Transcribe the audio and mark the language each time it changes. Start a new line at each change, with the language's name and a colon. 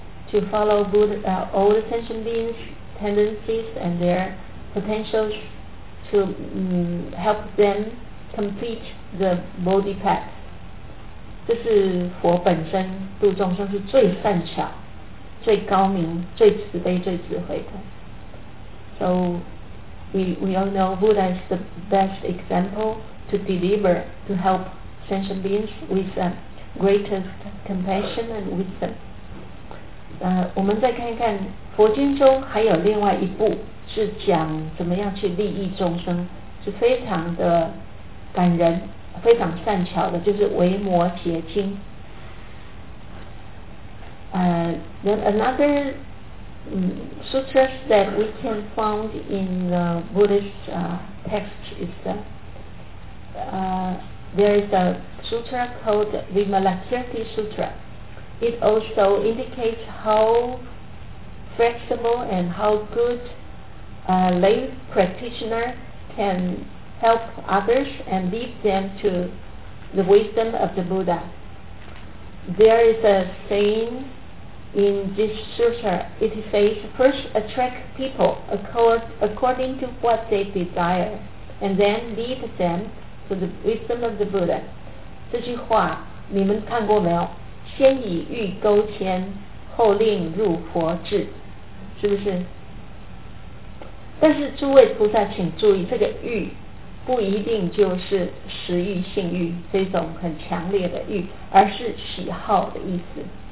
English: To follow Buddha, all the sentient beings' tendencies and their potentials to help them complete the Bodhi path.
Chinese: 这是佛本身度众生是最善巧、最高明、最慈悲、最智慧的。
English: So we all know Buddha is the best example to deliver, to help sentient beings with the greatest compassion and wisdom.
Chinese: 我们再看一看佛经中还有另外一部是讲怎么样去利益众生，是非常的感人非常善巧的，就是微摩诘经。
English: Then another sutras that we can find in the Buddhist text is there is a sutra called Vimalakirti Sutra. It also indicates how flexible and how good a lay practitioner can help others and lead them to the wisdom of the Buddha. There is a saying in this sutra. It says, first attract people according to what they desire, and then lead them to the wisdom of the Buddha.
Chinese: 这句话你们看过没有？先以欲勾牵，后令入佛智，是不是？但是诸位菩萨请注意，这个欲不一定就是食欲、性欲这种很强烈的欲，而是喜好的意思。